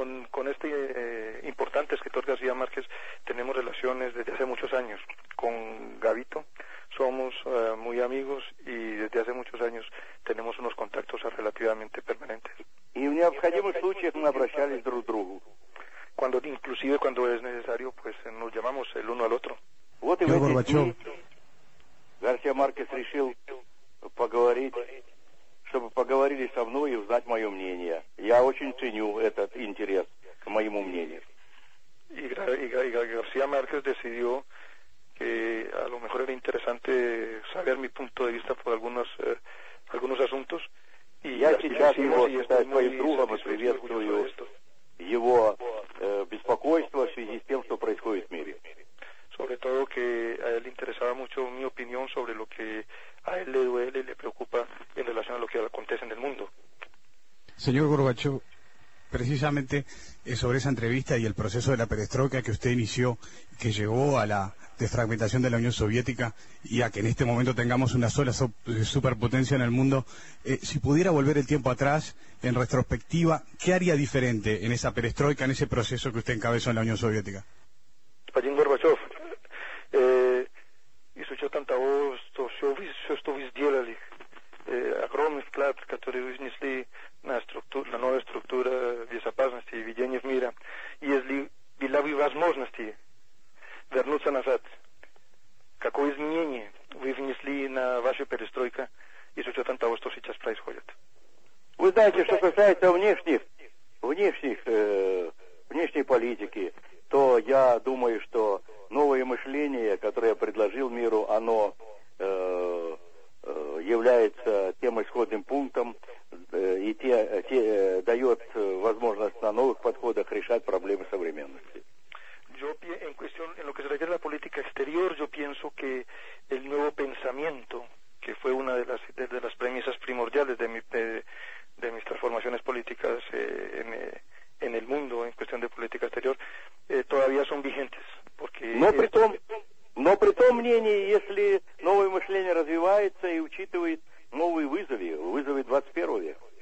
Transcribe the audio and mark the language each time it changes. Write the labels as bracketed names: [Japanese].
[Spanish] Con este importante escritor García Márquez tenemos relaciones desde hace muchos años. Con Gabito somos muy amigos y desde hace muchos años tenemos unos contactos relativamente permanentes. Y en [Russian] необходимых случаях мы обращались друг к другу. [Spanish] Cuando inclusive cuando es necesario, pues nos llamamos el uno al otro. [Russian] Вот и вы, Горбачев. Гарсия Маркес решил поговорить, чтобы поговорили со мной и узнать мое мнение. Я очень ценю этот интерес к моему мнению. [Spanish] И Гарсия Маркес decidió que a lo mejor era interesante saber mi punto de vista por algunos asuntos. [Russian] Я сейчас его считаю своим другом и приветствую его беспокойство в связи с тем, что происходит в мире. [Spanish] Sobre todo que a él le interesaba mucho mi opinión sobre lo que a él le duele y le preocupa en relación a lo que acontece en el mundo. Señor Gorbachev, precisamente sobre esa entrevista y el proceso de la perestroika que usted inició, que llevó a la desfragmentación de la Unión Soviética y a que en este momento tengamos una sola superpotencia en el mundo, si pudiera volver el tiempo atrás, en retrospectiva, ¿qué haría diferente en esa perestroika, en ese proceso que usted encabezó en la Unión Soviética? [Russian] Господин Горбачев, и с учетом того, что все, что вы сделали, огромный вклад, который вы внесли на новую структуру безопасности и ведения в мире, если была бы возможность вернуться назад, какое изменение вы внесли на вашу перестройку и с учетом того, что сейчас происходит? Вы знаете, что касается внешней политики, то я думаю, что новое мышление, которое я предложил миру, оно является тем исходным пунктом и дает возможность на новых подходах решать проблемы современности. [Spanish] En lo que se refiere a la política exterior, yo pienso que el nuevo pensamiento, que fue una de las premisas primordiales de mis transformaciones políticas en el mundo, en cuestión de política exterior, todavía son vigentes, porque... [Russian] Но при том мнении, если новое мышление развивается и учитывает новые вызовы 21 века.